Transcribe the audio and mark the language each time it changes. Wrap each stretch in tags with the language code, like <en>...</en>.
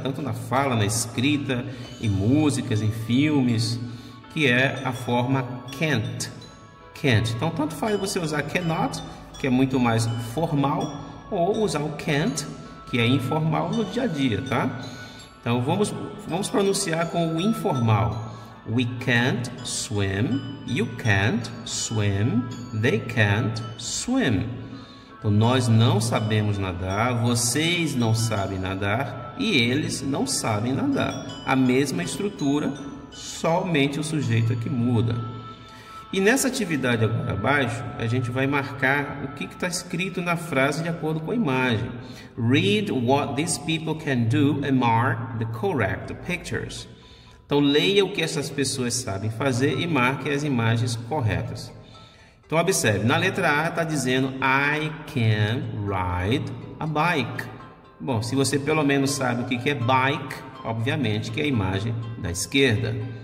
<pt>Tanto na fala, na escrita, em músicas, em filmes, que é a forma can't. Can't. Então, tanto faz você usar cannot, que é muito mais formal, ou usar o can't, que é informal no dia a dia, tá? Então, vamos pronunciar com o informal.</pt> <en>We can't swim, you can't swim, they can't swim.</en> <pt>Então, nós não sabemos nadar, vocês não sabem nadar e eles não sabem nadar. A mesma estrutura, somente o sujeito é que muda. E nessa atividade agora abaixo, a gente vai marcar o que está escrito na frase de acordo com a imagem.</pt> <en>Read what these people can do and mark the correct pictures.</en> <pt>Então, leia o que essas pessoas sabem fazer e marque as imagens corretas. Então, observe, na letra A está dizendo</pt> <en>I can ride a bike.</en> <pt>Bom, se você pelo menos sabe o que é bike, obviamente que é a imagem da esquerda.</pt>